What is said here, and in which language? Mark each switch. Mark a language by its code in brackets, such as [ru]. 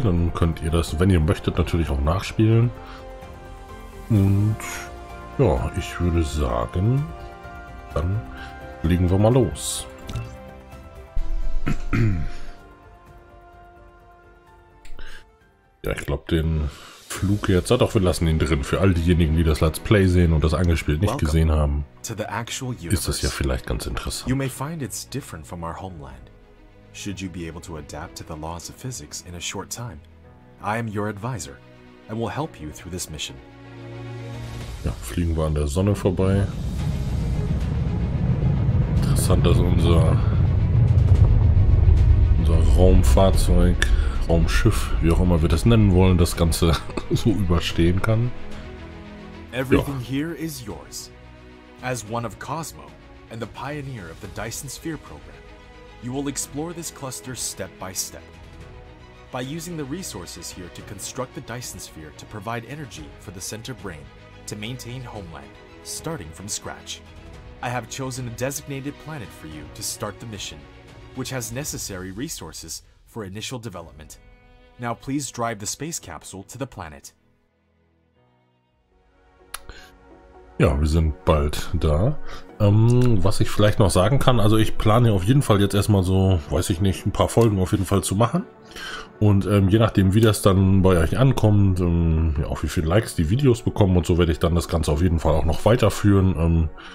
[de] Dann könnt ihr das, wenn ihr möchtet, natürlich auch nachspielen. Und ja, ich würde sagen, dann legen wir mal los. Ja, ich glaube, den Flug jetzt, doch, wir lassen ihn drin. Für all diejenigen, die das Let's Play sehen und das angespielt nicht gesehen haben, ist das ja vielleicht ganz interessant. [en] You may find it's different from our homeland. Should you be able to adapt to the laws of physics in a short time, I am your advisor and will help you through this mission. [de] Ja, fliegen wir an der Sonne vorbei. Interessant, dass unser Raumfahrzeug, Raumschiff, wie auch immer wir das nennen wollen, das Ganze so überstehen kann. [en] Everything here is yours. As one of Cosmo and the pioneer of the Dyson Sphere program, you will explore this cluster step by step. By using the resources here to construct the Dyson Sphere to provide energy for the center brain, to maintain homeland, starting from scratch. I have chosen a designated planet for you to start the mission, which has necessary resources for initial development. Now please drive the space capsule to the planet. [de] Ja, wir sind bald da. Was ich vielleicht noch sagen kann, also ich plane auf jeden Fall jetzt erstmal so, weiß ich nicht, ein paar Folgen auf jeden Fall zu machen. Und je nachdem, wie das dann bei euch ankommt, auch wie viele Likes die Videos bekommen und so, werde ich dann das Ganze auf jeden Fall auch noch weiterführen.